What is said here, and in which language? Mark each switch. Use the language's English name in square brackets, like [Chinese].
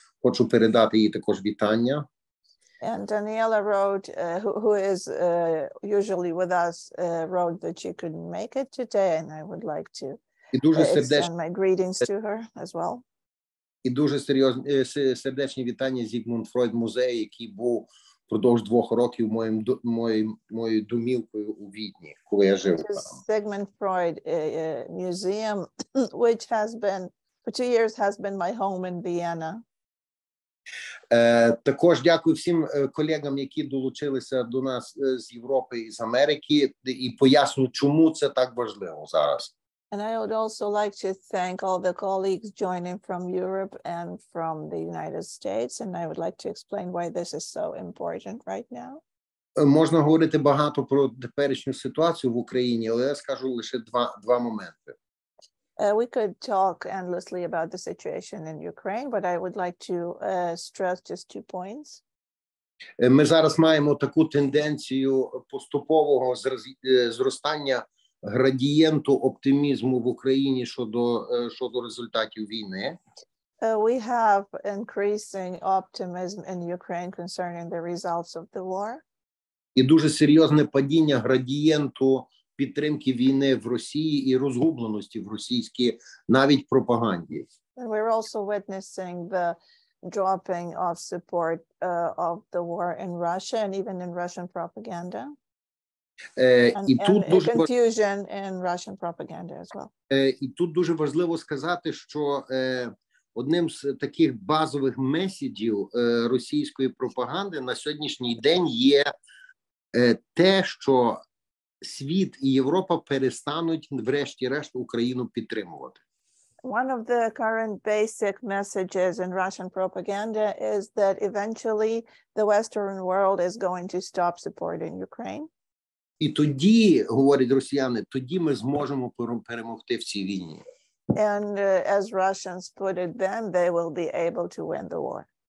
[Ukrainian] Хочу передати їй також вітання. [English] And Daniela wrote, who is usually with us, wrote that she couldn't make it today, and I would like to send my greetings to her as well. [Ukrainian] І дуже сердечні вітання SigmundFreudМuseum, який був впродовж двох років моєю домівкою у Відні, коли я жив. [English] SigmundFreudMuseum, which has been, for 2 years, has been my home in Vienna. [Ukrainian] Також дякую всім колегам, які долучилися до нас з Європи і з Америки, і поясню, чому це так важливо зараз. [English] And I would also like to thank all the colleagues joining from Europe and from the United States, and I would like to explain why this is so important right now. [Ukrainian] Можна говорити багато про теперішню ситуацію в Україні, але я скажу лише два моменти. [English] We could talk endlessly about the situation in Ukraine, but I would like to stress just two points. [Ukrainian] Ми зараз маємо таку тенденцію поступового зростання градієнту оптимізму в Україні щодо результатів війни. [English] We have increasing optimism in Ukraine concerning the results of the war. [Ukrainian] І дуже серйозне падіння градієнту підтримки війни в Росії і розгубленості в російській навіть пропаганді. [English] We're also witnessing the dropping of support of the war in Russia and even in Russian propaganda. Confusion in Russian propaganda as well. [Ukrainian] І тут дуже важливо сказати, що одним з таких базових меседжів російської пропаганди на сьогоднішній день є те, що світ і Європа перестануть врешті-решт Україну підтримувати. [English] One of the current basic messages in Russian propaganda is that eventually the Western world is going to stop supporting Ukraine. [Ukrainian] І тоді, говорять росіяни, тоді ми зможемо перемогти в цій війні. [English] And as Russians put it, then they will be able to win the war.